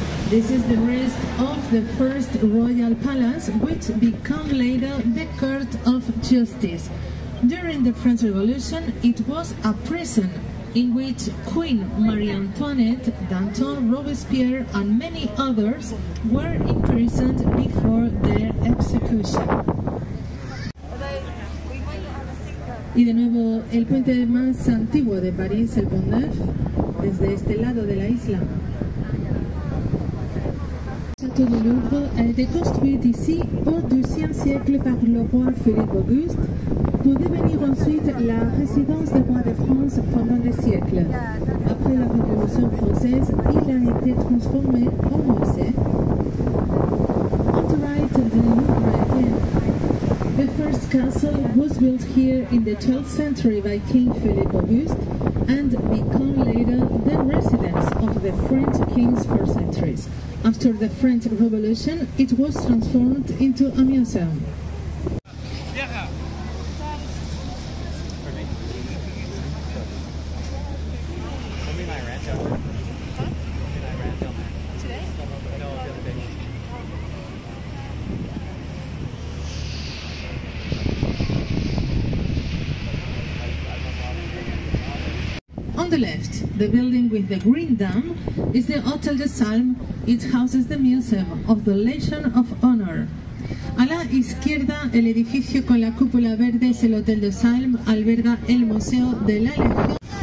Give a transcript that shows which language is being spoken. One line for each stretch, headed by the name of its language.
English: This is the rest of the first royal palace, which became later the Court of Justice. During the French Revolution, it was a prison in which Queen Marie Antoinette, Danton, Robespierre, and many others were imprisoned before their execution.
Spanish: Y de nuevo, el puente más antiguo de París, el Pont Neuf, desde este lado de la isla.
French: Le Louvre a été construit ici au IIe siècle par le roi Philippe Auguste pour devenir ensuite la résidence des rois de France pendant des siècles. Après la Révolution française, il a été transformé en musée.
English: On the right of the Louvre again. The first castle was built here in the 12th century by King Philippe Auguste and became later the residence of the French kings for centuries. After the French Revolution, it was transformed into a museum. On the left, the building with the green dam is the Hotel de Salm, It houses the Museum of the Legion of Honor.
Spanish: A la izquierda, el edificio con la cúpula verde es el Hotel de Salm, alberga el Museo de la Legión.